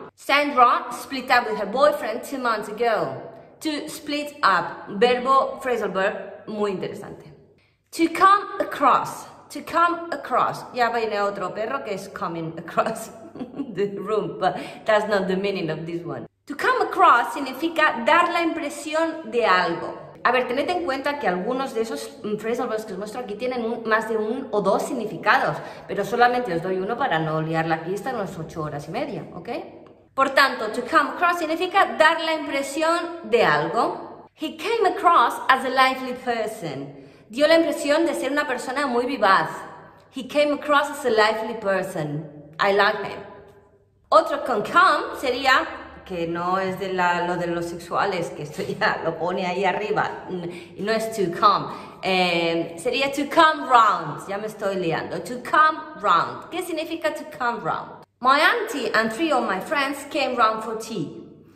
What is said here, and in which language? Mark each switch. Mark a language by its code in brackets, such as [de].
[en] Sandra split up with her boyfriend 2 months ago. [es] To split up, verbo phrasal verb, muy interesante. [en] To come across, to come across. [es] Ya viene otro perro que es [en] coming across the room, but that's not the meaning of this one. [es] To come across significa dar la impresión de algo. A ver, tened en cuenta que algunos de esos phrasal verbs que os muestro aquí tienen más de un o dos significados, pero solamente os doy uno para no liar la pista en las 8 horas y media, ¿ok? Por tanto, to come across significa dar la impresión de algo. [en] He came across as a lively person. [es] Dio la impresión de ser una persona muy vivaz. [en] He came across as a lively person. I like him. [es] Otro con come sería, que no es de lo de los sexuales, que esto ya lo pone ahí arriba, y no es to come, sería to come round, ya me estoy liando, to come round. ¿Qué significa to come round? [en] My auntie and 3 of my friends came round for tea.